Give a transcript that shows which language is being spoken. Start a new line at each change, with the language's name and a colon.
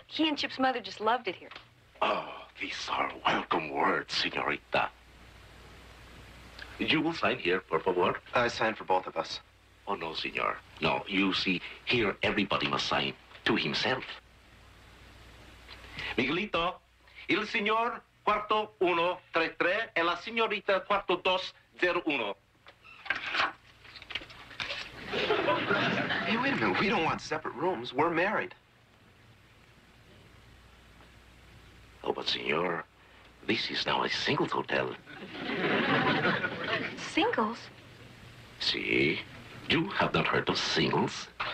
English: He and Chip's mother just loved it here. Oh, these are welcome words, senorita. You will sign here,
Spanish: por favor.
English: I sign for both of us. Oh, no, senor. No, you see, here everybody must sign to himself.
Spanish: Miguelito, el señor cuarto 133 y la señorita cuarto 201.
English: Hey, wait a minute. We don't want separate rooms. We're married. Oh, but senor, this is now a singles hotel. Singles? See, you have not heard of singles?